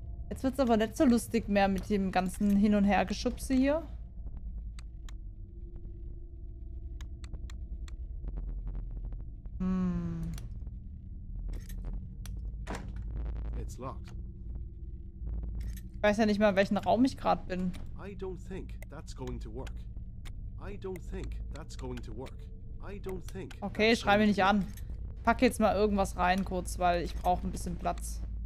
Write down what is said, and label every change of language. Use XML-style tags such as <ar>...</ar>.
<de>Jetzt wird es aber nicht so lustig mehr mit dem ganzen Hin- und Her-Geschubse hier.</de> <en>it's locked.</en> <de>Ich weiß ja nicht mal, welchen Raum ich gerade bin.</de> <en>I don't think that's going to work. I don't think that's going to work. I don't think.</en> <de>Okay, schrei mich nicht an. Pack jetzt mal irgendwas rein kurz, weil ich brauche ein bisschen Platz.</de>